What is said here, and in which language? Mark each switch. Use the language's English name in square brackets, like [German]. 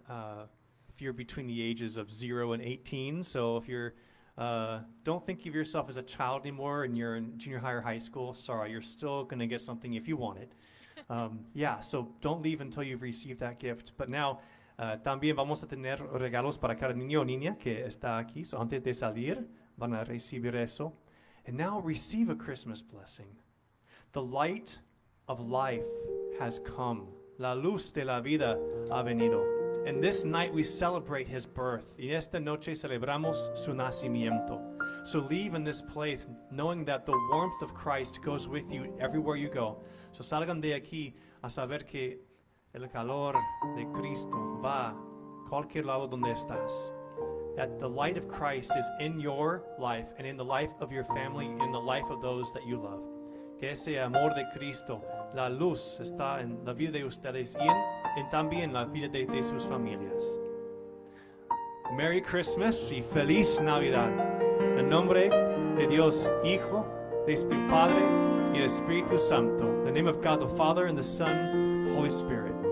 [English] If you're between the ages of 0 and 18, so if you're don't think of yourself as a child anymore and you're in junior high or high school, sorry, you're still going to get something if you want it. So don't leave until you've received that gift. But now, [Spanish] también vamos a tener regalos para cada niño o niña que está aquí. So antes de salir, van a recibir eso. [English] And now receive a Christmas blessing. The light of life has come. [Spanish] La luz de la vida ha venido. [English] And this night we celebrate his birth. [Spanish] Y esta noche celebramos su nacimiento. [English] So leave in this place knowing that the warmth of Christ goes with you everywhere you go. [Spanish] So salgan de aquí a saber que el calor de Cristo va a cualquier lado donde estás. [English] That the light of Christ is in your life and in the life of your family and in the life of those that you love. [Spanish] Que ese amor de Cristo, la luz, está en la vida de ustedes y en también la vida de sus familias. [English] Merry Christmas [Spanish] y Feliz Navidad. En nombre de Dios, Hijo, de tu Padre y el Espíritu Santo. [English] In the name of God, the Father, and the Son, Holy Spirit.